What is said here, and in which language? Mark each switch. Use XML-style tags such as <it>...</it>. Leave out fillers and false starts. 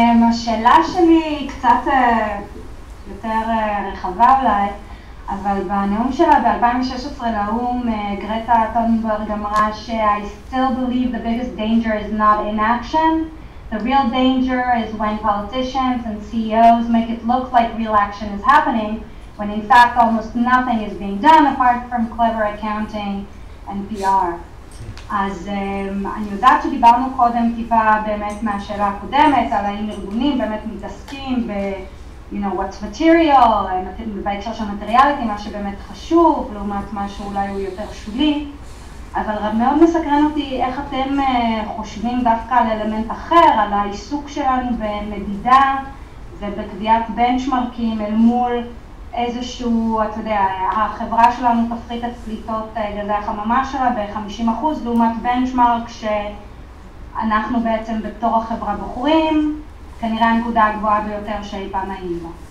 <he>השאלה שלי היא קצת יותר רחבה אולי, אבל בנאום שלה ב-2016 לאום, גרטה טונברג אמרה ש-</he> <en>I still believe the biggest danger is not inaction. The real danger is when politicians and CEOs make it look like real action is happening, when in fact almost nothing is being done apart from clever accounting and PR.</en> <he>אז אני יודעת שדיברנו קודם טיפה באמת מהשאלה הקודמת על האם ארגונים באמת מתעסקים ב,</he> <en>you know, what's material,</en> <he>בהקשר של מטריאליטי, מה שבאמת חשוב, לעומת משהו אולי הוא יותר שולי, אבל רב מאוד מסקרן אותי איך אתם חושבים דווקא על אלמנט אחר, על העיסוק שלנו במדידה ובקביעת בנצ'מרקים אל מול איזשהו, אתה יודע, החברה שלנו תפחית את פליטות גזי החממה שלה ב-50% לעומת בנצ'מרק שאנחנו בעצם בתור החברה בוחרים, כנראה הנקודה הגבוהה ביותר שאי פעם היינו.</he>